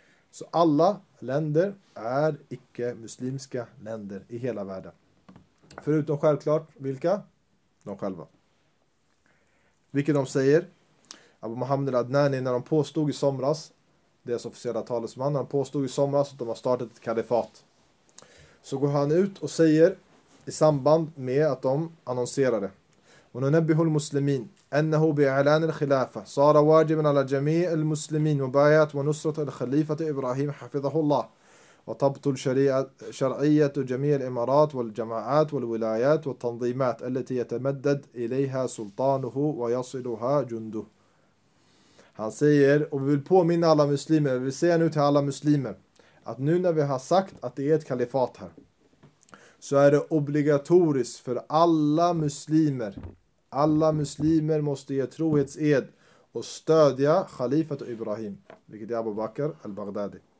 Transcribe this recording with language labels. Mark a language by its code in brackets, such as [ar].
[sv] Så alla länder är icke-muslimska länder i hela världen. Förutom självklart vilka? De själva. Vilket de säger? Abu Mohammed al-Adnani, när de påstod i somras, deras officiella talesman, han påstod i somras att de har startat ett kalifat. Så går han ut och säger i samband med att de annonserade: [ar] وَنُنَبِّهُ الْمُسْلِمِينَ أَنَّهُ بِإِعْلَانِ الْخِلَافَةِ صَارَ وَاجِبًا عَلَى جَمِيعِ الْمُسْلِمِينَ مُبَايَةً وَنُصْرَةً لِخَلِيفَةِ إِبْرَاهِيمَ حَفِظَهُ اللَّهُ وَطَبْتُ الشَّرِيعَةُ شَرْعِيَّةُ جَمِيعِ الْإِمَارَاتِ وَالْجَمَاعَاتِ وَالْوِلَايَاتِ وَالتَّنْظِيمَاتِ الَّتِي يَتَمَدَّدُ إِلَيْهَا سُلْطَانُهُ وَيَصِلُهَا جُنْدُهُ. [sv] Han säger, och vi vill påminna alla muslimer, vi vill säga nu till alla muslimer, att nu när vi har sagt att det är ett kalifat här, så är det obligatoriskt för alla muslimer. Alla muslimer måste ge trohetsed och stödja khalifat Ibrahim, vilket är Abu Bakr al-Baghdadi.